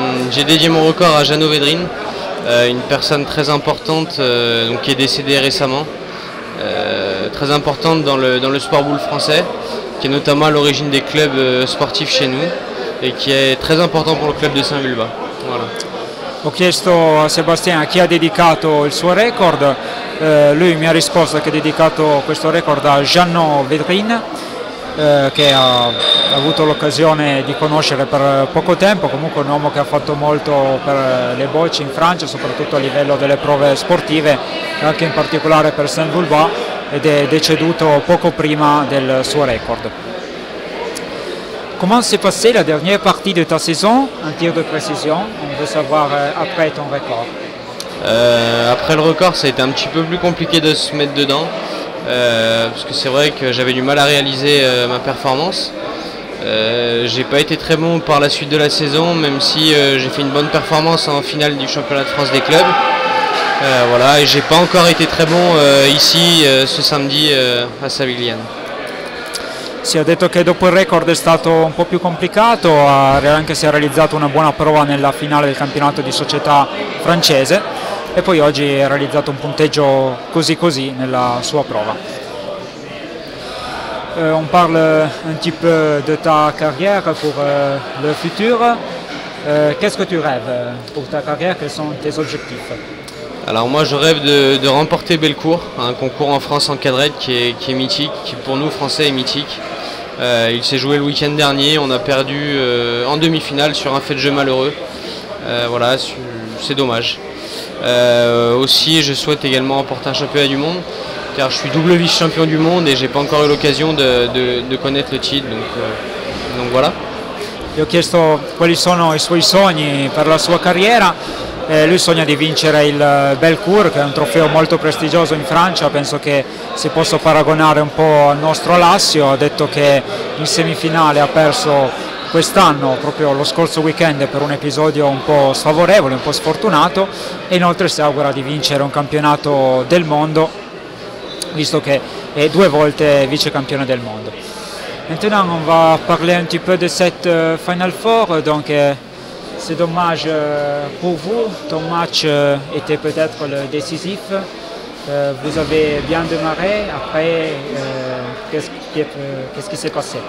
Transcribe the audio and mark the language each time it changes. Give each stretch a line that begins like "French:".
French: J'ai dédié mon record à Jeannot Vedrine, une personne très importante donc, qui est décédée récemment, très importante dans le sport boule français, qui est notamment à l'origine des clubs sportifs chez nous et qui est très important pour le club de Saint-Vulbas. Voilà.
Italian: Ho chiesto a Sébastien a chi ha dedicato il suo record, lui mi ha risposto che ha dedicato questo record a Jeannot Vedrine, che ha avuto l'occasione di conoscere per poco tempo, comunque un uomo che ha fatto molto per le bocce in Francia, soprattutto a livello delle prove sportive, anche in particolare per Saint-Vulbas, ed è deceduto poco prima del suo record.
French: Comment s'est passée la dernière partie de ta saison en tir de précision? On veut savoir après ton record. Après le record, ça a été un petit peu plus compliqué de se mettre dedans. Parce que c'est vrai que j'avais du mal à réaliser ma performance. J'ai pas été très bon par la suite de la saison, même si j'ai fait une bonne performance en finale du championnat de France des clubs. Voilà, et j'ai pas encore été très bon ici ce samedi à Savigliano.
Italian: Si ha detto che dopo il record è stato un po' più complicato, anche se ha realizzato una buona prova nella finale del campionato di società francese e poi oggi ha realizzato un punteggio così così nella sua prova.
French: On parle un petit peu de ta carrière pour le futur. Qu'est-ce que tu rêves pour ta carrière? Quels sont tes objectifs? Alors moi je rêve de remporter Belcourt, un concours en France en cadrette qui est mythique, qui pour nous français est mythique. Il s'est joué le week-end dernier, on a perdu en demi-finale sur un fait de jeu malheureux. Voilà, c'est dommage. Aussi je souhaite également remporter un championnat du monde, car je suis double vice-champion du monde et j'ai pas encore eu l'occasion de connaître le titre. Donc voilà.
Italian: Gli ho chiesto quali sono i suoi sogni per la sua carriera. Lui sogna di vincere il Belcourt, che è un trofeo molto prestigioso in Francia, penso che si possa paragonare un po' al nostro Alassio. Ha detto che in semifinale ha perso quest'anno, proprio lo scorso weekend, per un episodio un po' sfavorevole, un po' sfortunato, e inoltre si augura di vincere un campionato del mondo, visto che è 2 volte vice campione del mondo.
French: Maintenant on va parler un petit peu de cette Final Four, donc c'est dommage pour vous, ton match était peut-être le décisif, vous avez bien démarré, après qu'est-ce qui s'est passé?